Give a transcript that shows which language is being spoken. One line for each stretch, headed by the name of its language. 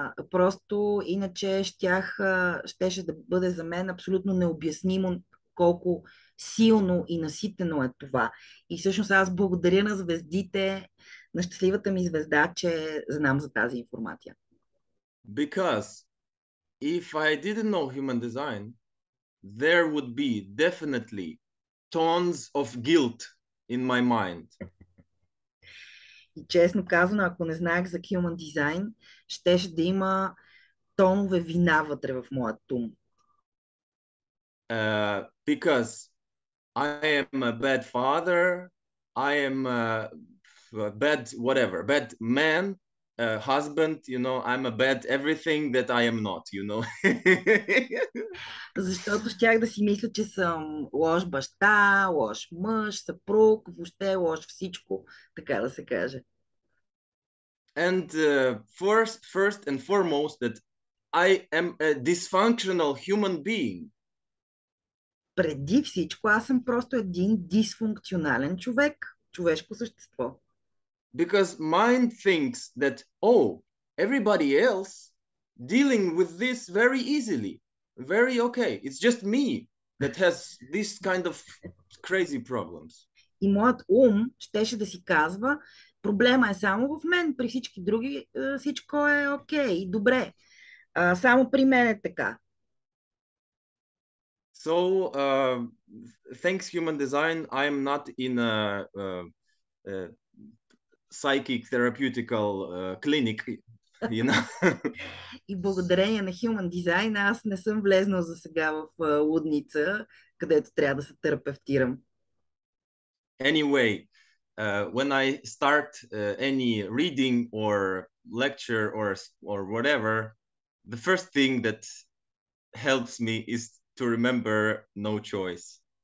Bulgarian: Просто иначе щеше да бъде за мен абсолютно необяснимо колко силно и наситено е това. И всъщност аз благодаря на звездите, на щастливата ми звезда, че знам за тази информация.
English: Because if I didn't know human design, there would be definitely tons of guilt in my mind.
Bulgarian: И честно казано, ако не знаех за human design, щеше да има тонове вина вътре в моят ум.
English: Because I am a bad father, I am a bad whatever, bad man. A husband, you know, I'm a bad everything that I am not, you know.
Bulgarian: Защото щях да си мисля, че съм лош баща, лош мъж, съпруг, въобще лош всичко, така да се каже.
English: And first and foremost, that I am a dysfunctional human being.
Bulgarian: Преди всичко, аз съм просто един дисфункционален човек, човешко същество.
English: Because mind thinks that, oh, everybody else dealing with this very easily, very okay. It's just me that has this kind of crazy problems.
Bulgarian: И моят ум щеше да си казва, проблема е само в мен, при всички други всичко е окей, okay, добре. Само при мен е така.
English: So, thanks human design, I am not in a... psychic therapeutical clinic, you know.
Bulgarian: И благодарение на Human Design аз не съм влезнал за сега в лудница, където трябва да се терапевтирам.
English: Anyway, when I start any reading or lecture or whatever, the first thing that helps me is to remember no choice.